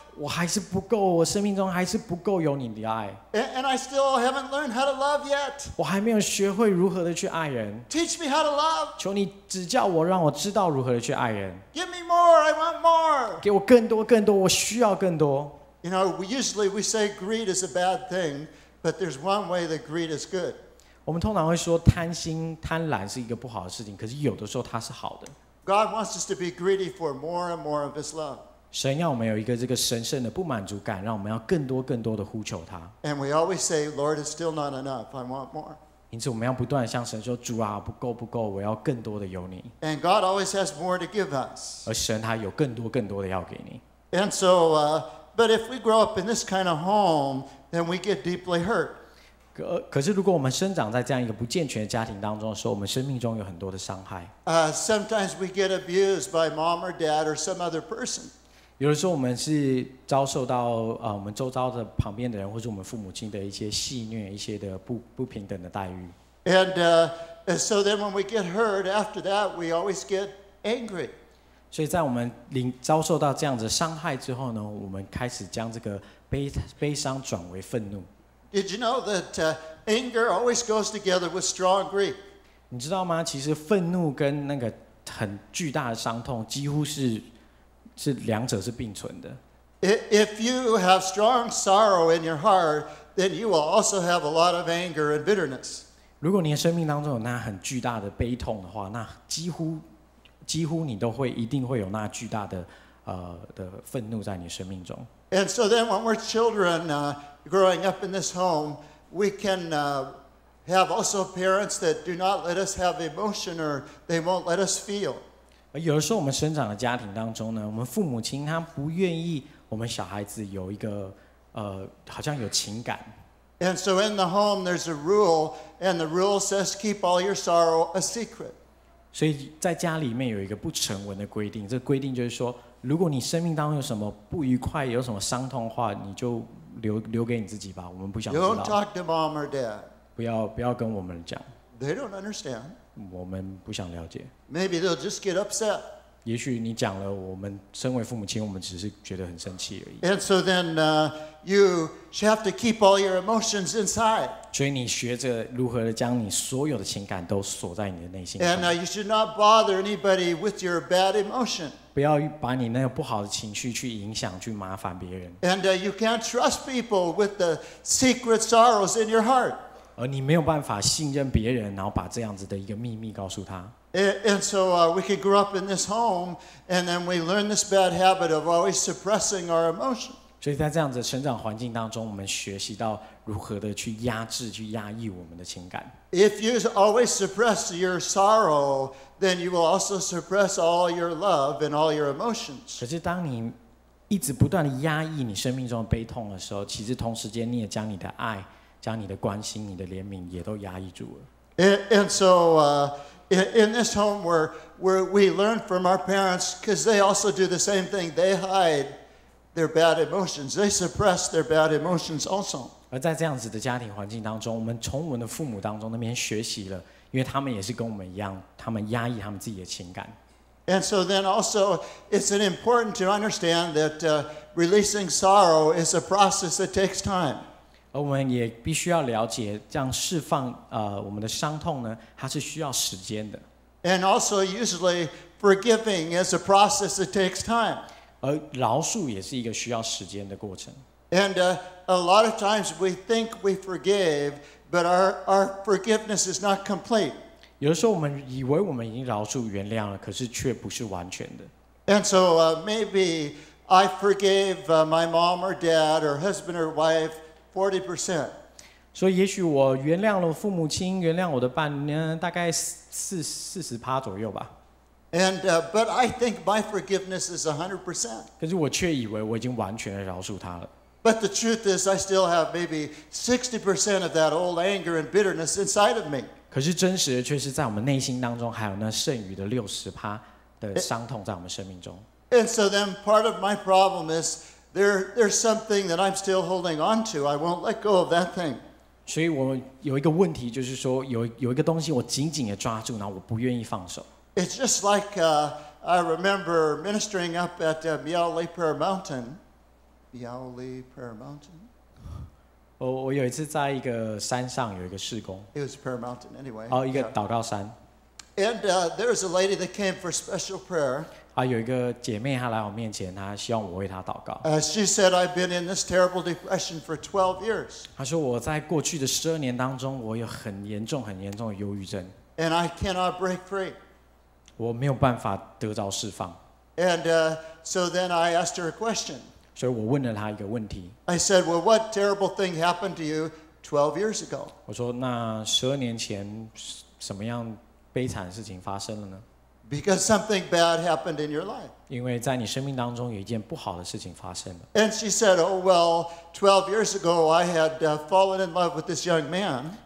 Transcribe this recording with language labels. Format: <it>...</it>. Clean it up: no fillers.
<zh>我还是不够，我生命中还是不够有你的爱。</zh> <en>And I still haven't learned how to love yet.</en> <zh>我还没有学会如何的去爱人。</zh> <en>Teach me how to love.</en> <zh>求你指教我，让我知道如何的去爱人。</zh> <en>Give me more, I want more.</en> <zh>给我更多更多，我需要更多。</zh> <en>You know, usually we say greed is a bad thing, but there's one way that greed is good.</en> <zh>我们通常会说贪心贪婪是一个不好的事情，可是有的时候它是好的。</zh> <en>God wants us to be greedy for more and more of His love.</en> <zh>神要我们有一个这个神圣的不满足感，让我们要更多更多的呼求他。</zh> <en>And we always say, Lord, it's still not enough. I want more.</en> <zh>因此我们要不断向神说，主啊，不够不够，我要更多的有你。</zh> <en>And God always has more to give us.</en> <zh>而神他有更多更多的要给你。</zh> <en>And so, but if we grow up in this kind of home, then we get deeply hurt.</en> <zh>可是如果我们生长在这样一个不健全的家庭当中的时候，我们生命中有很多的伤害。</zh> <en>Sometimes we get abused by mom or dad or some other person.</en> <zh>有的时候我们是遭受到我们周遭的旁边的人或者我们父母亲的一些戏虐，一些的 不平等的待遇。</zh> <en>And so then when we get hurt after that, we always get angry.</en> <zh>所以在我们遭受到这样子的伤害之后呢，我们开始将这个悲伤转为愤怒。</zh> <en>Did you know that anger always goes together with strong grief?</en> <zh>你知道吗？其实愤怒跟那个很巨大的伤痛，几乎是两者是并存的。</zh> <en>If you have strong sorrow in your heart, then you will also have a lot of anger and bitterness.</en> <zh>如果你的生命当中有那很巨大的悲痛的话，那几乎你都会一定会有那巨大的的愤怒在你生命中。</zh> <en>And so then, when we're children, growing up in this home, we can have also parents that do not let us have emotion, or they won't let us feel.</en> <zh>有的时候，我们生长的家庭当中呢，我们父母亲他不愿意我们小孩子有一个好像有情感。</zh> <en>And so in the home, there's a rule, and the rule says, keep all your sorrow a secret.</en> <zh>所以在家里面有一个不成文的规定，这个规定就是说。如果你生命当中有什么不愉快，有什么伤痛的话，你就留给你自己吧，我们不想知道。</zh> <en>Don't talk to mom or dad.</en> <zh>不要跟我们讲。</zh> <en>They don't understand.</en> <zh>我们不想了解。</zh> <en>Maybe they'll just get upset.</en> <zh>也许你讲了，我们身为父母亲，我们只是觉得很生气而已。</zh> <en>And so then, you have to keep all your emotions inside.</en> <zh>所以你学着如何将你所有的情感都锁在你的内心。</zh> <en>And you should not bother anybody with your bad emotion.</en> <zh>不要把你那个不好的情绪去影响，去麻烦别人。</zh> <en>And you can't trust people with the secret sorrows in your heart.</en> <zh>而你没有办法信任别人，然后把这样子的一个秘密告诉他。</zh> <en>And so we could grow up in this home, and then we learn this bad habit of always suppressing our emotion.</en> <zh>所以在这样子的成长环境当中，我们学习到如何的去压制、去压抑我们的情感。</zh> <en>If you always suppress your sorrow, then you will also suppress all your love and all your emotions.</en> <zh>可是当你一直不断地压抑你生命中的悲痛的时候，其实同时间你也将你的爱、将你的关心、你的怜悯也都压抑住了。</zh> <en>And so, in this home where we learn from our parents, because they also do the same thing, they hide their bad emotions. They suppress their bad emotions also.</en> <zh>而在这样子的家庭环境当中，我们从我们的父母当中那边学习了，因为他们也是跟我们一样，他们压抑他们自己的情感。</zh> <en>And so then also, it's an important to understand that releasing sorrow is a process that takes time.</en> <zh>而我们也必须要了解，这样释放我们的伤痛呢，它是需要时间的。</zh> <en>And also, usually Forgiving is a process that takes time.</en> <zh>而饶恕也是一个需要时间的过程。</zh> <en>And a lot of times we think we forgive, but our forgiveness is not complete.</en> <zh>有的时候我们以为我们已经饶恕原谅了，可是却不是完全的。</zh> <en>And so maybe I forgave my mom or dad or husband or wife 40%.</en> <zh>所以也许我原谅了父母亲，原谅我的伴侣，大概40%左右吧。</zh> <en>And but I think my forgiveness is 100%.</en> <zh>可是我却以为我已经完全的饶恕他了。</zh> <en>But the truth is, I still have maybe 60% of that old anger and bitterness inside of me.</en> <zh>可是真实的却是在我们内心当中，还有那剩余的60%的伤痛在我们生命中。</zh> <en>And so then, part of my problem is there's something that I'm still holding on to. I won't let go of that thing.</en> <zh>所以我有一个问题，就是说有一个东西我紧紧的抓住，然后我不愿意放手。</zh> <en>It's just like I remember ministering up at Miao Li Prayer Mountain. Miao Li Prayer Mountain.</en> <zh>我有一次在一个山上有一个事工。</zh> <en>It was Prayer Mountain anyway.</en> <zh>哦，一个祷告山。</zh> <en>And there was a lady that came for special prayer.</en> <zh>啊，有一个姐妹她来我面前，她希望我为她祷告。</zh> <en>She said, "I've been in this terrible depression for 12 years."</en> <zh>她说我在过去的12年当中，我有很严重、很严重的忧郁症。</zh> <en>And I cannot break free.</en> <zh>我没有办法得到释放。</zh> <en>And so then I asked her a question.</en> <zh>所以我问了她一个问题。</zh> <en>I said, "Well, what terrible thing happened to you 12 years ago?"</en> <zh>我说那12年前什么样？悲惨的事情发生了呢</zh> <en>？Because something bad happened in your life.</en> <zh>因为在你生命当中有一件不好的事情发生了。</zh> <en>And she said, "Oh well, 12 years ago, I had fallen in love with this young man."</en>